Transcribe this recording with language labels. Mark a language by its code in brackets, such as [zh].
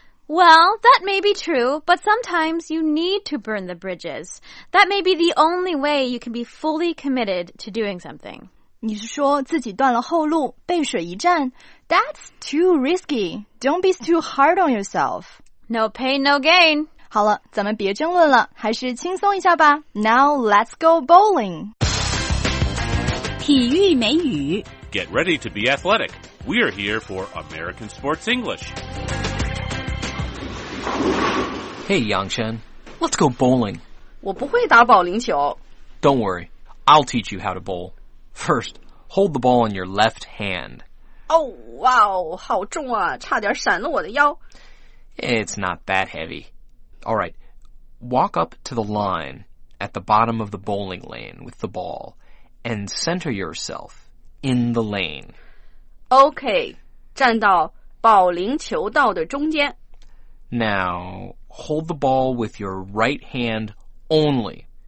[en] Well, that may be true, but sometimes you need to burn the bridges. That may be the only way you can be fully committed to doing something. [zh] 你是说自己断了后路，背水一战？ [en] That's too risky. Don't be too hard on yourself. No pain, no gain. [zh] 好了，咱们别争论了，还是轻松一下吧。 [en] Now let's go bowling. [zh] 体育美语 [en] Get ready to be athletic. We are here for American Sports English. Hey, Yangchen. Let's go bowling. [zh] 我不会打保龄球。 [en] Don't worry. I'll teach you how to bowl. First, hold the ball in your left hand. Oh, wow. [zh] 好重啊，差点闪了我的腰。 [en] It's not that heavy. All right. Walk up to the line at the bottom of the bowling lane with the ball. And center yourself in the lane. [zh] Okay, 站到保龄球道的中间。 [en] Now, hold the ball with your right hand only.